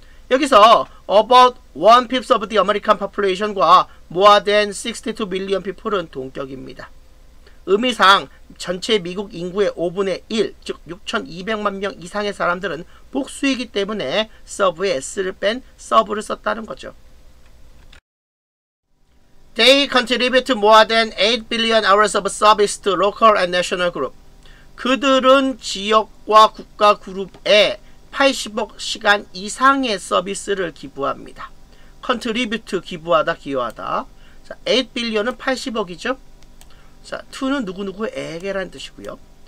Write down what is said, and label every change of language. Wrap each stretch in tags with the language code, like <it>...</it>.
<ko>여기서</ko> <en>about one-fifth of the American population</en> <ko>과</ko> <en>more than 62 billion people</en> <ko>은 동격입니다. 의미상 전체 미국 인구의 5분의 1, 즉 6,200만 명 이상의 사람들은 복수이기 때문에 서브의 S를 뺀 서브를 썼다는 거죠.</ko> <en>They contribute more than 8 billion hours of service to local and national group.</en> <ko>그들은 지역과 국가 그룹에 80억 시간 이상의 서비스를 기부합니다. Contribute, 기부하다, 기여하다. 자, 8 billion은 80억이죠. 자, 2는 누구누구에게라는 뜻이고요.</ko>